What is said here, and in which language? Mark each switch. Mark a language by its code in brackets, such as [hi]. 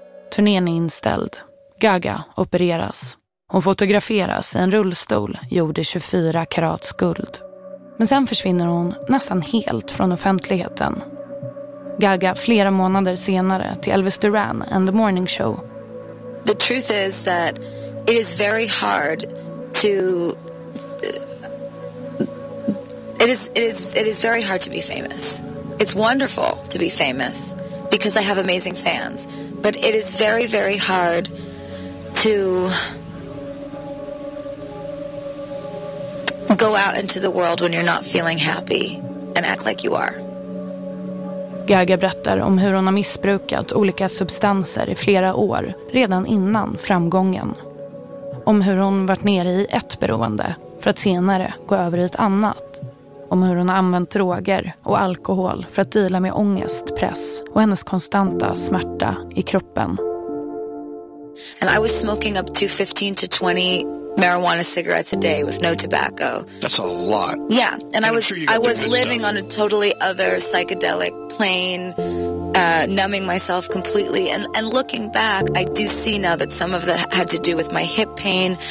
[sv] Turnén är inställd. Gaga opereras. Hon fotograferas i en rullstol gjord i 24 karats guld. Men sen försvinner hon nästan helt från offentligheten. Gaga flera månader senare till Elvis Duran and the Morning Show. [en] The truth is that it is very hard to... It is very hard to be famous. It's wonderful to be famous because I have amazing fans. But it is very, very hard to go out into the world when you're not feeling happy and act like you are. [sv] Gaga berättar om hur hon har missbrukat olika substanser i flera år redan innan framgången. Om hur hon varit nere i ett beroende för att senare gå över i ett annat. Om hur hon har använt droger och alkohol för att dela med ångest, press och hennes konstanta smärta i kroppen. [en] And I was smoking up to 15 to 20 marijuana cigarettes a day with no tobacco. That's a lot. Yeah, and I was living on a totally other psychedelic plane, numbing myself completely. And looking back, I do see now that some of that had to do with my hip pain.